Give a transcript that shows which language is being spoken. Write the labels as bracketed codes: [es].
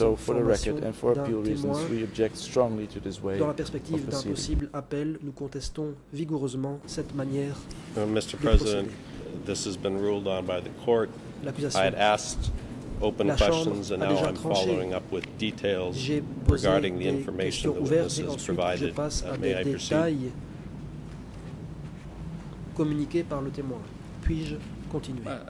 [en] So for the record and for appeal reasons, we object strongly to this way [fr] dans la perspective [en] of proceeding. [fr] D'un possible appel, nous contestons vigoureusement cette manière [en] Mr. President, this has been ruled on by the court. [fr] L'accusation. [en] I had asked open questions and now I'm following up with details regarding the information the witness has provided. May I proceed? [fr] Communiqué par le témoin. Puis-je continuer?